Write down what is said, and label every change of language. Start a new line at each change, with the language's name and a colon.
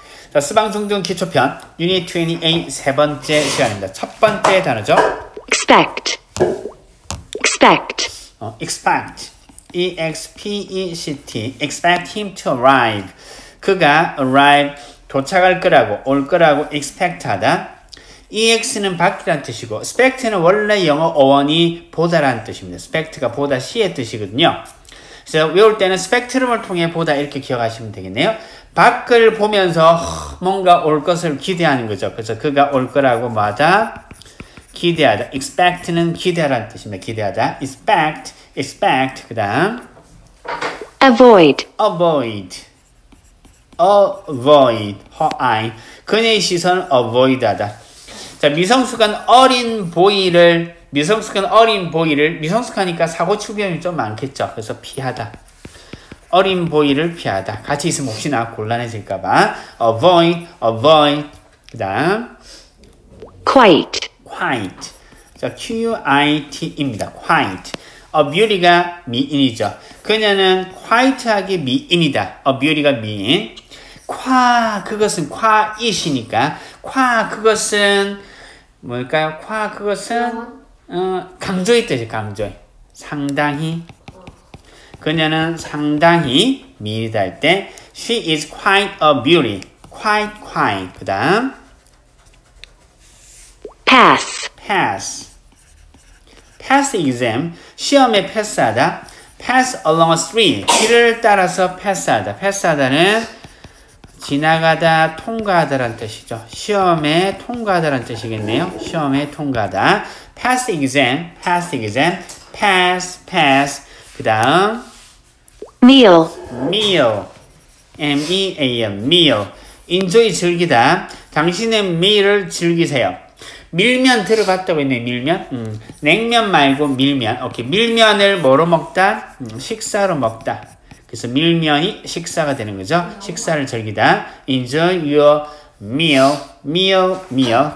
Korean: 자, 수방송중 기초편 유닛 28 세 번째 시간입니다. 첫 번째 단어죠.
English: expect expect expect expect expect him to arrive.
Korean: 그가 arrive 도착할 거라고 올 거라고 expect 하다. ex는 받기란 뜻이고 spect는 원래 영어 어원이 보다란 뜻입니다. spect가 보다 시의 뜻이거든요. 그래서 외울 때는 spectrum을 통해 보다 이렇게 기억하시면 되겠네요. 밖을 보면서 뭔가 올 것을 기대하는 거죠. 그래서 그가 올 거라고 마다 기대하다. expect는 기대하라는 뜻입니다. 기대하다. expect, expect. 그 다음
English: avoid, avoid, avoid her eye.
Korean: 그녀의 시선을 avoid 하다. 자, 미성숙한 어린 보이를, 미성숙한 어린 보이를, 미성숙하니까 사고 출병이 좀 많겠죠. 그래서 피하다. 어린 보이를 피하다. 같이 있으면 혹시나 곤란해질까봐. avoid, avoid. 그 다음
English: quite,
Korean: quite. 자, quite입니다. quite. a beauty가 미인이죠. 그녀는 quite하게 미인이다. a beauty가 미인. qua, 그것은 quite이시니까. qua, 그것은 뭘까요? qua, 그것은 강조의 뜻이에요. 강조의. 상당히. 그녀는 상당히 미인이다 할 때
English: she is quite a beauty.
Korean: quite, quite. 그 다음
English: pass, pass, pass exam. 시험에 패스하다. pass along a street. 길을 따라서 패스하다.
Korean: 패스하다는 지나가다, 통과하다라는 뜻이죠. 시험에 통과하다라는 뜻이겠네요. 시험에 통과하다.
English: pass exam, pass exam, pass, pass.
Korean: 그 다음
English: meal, meal, M-E-A-L, meal. enjoy, 즐기다.
Korean: 당신의 meal을 즐기세요. 밀면 들어갔다고 했네. 밀면, 냉면 말고 밀면. 오케이. 밀면을 뭐로 먹다? 식사로 먹다. 그래서 밀면이 식사가 되는 거죠. 식사를 즐기다.
English: enjoy your meal, meal, meal.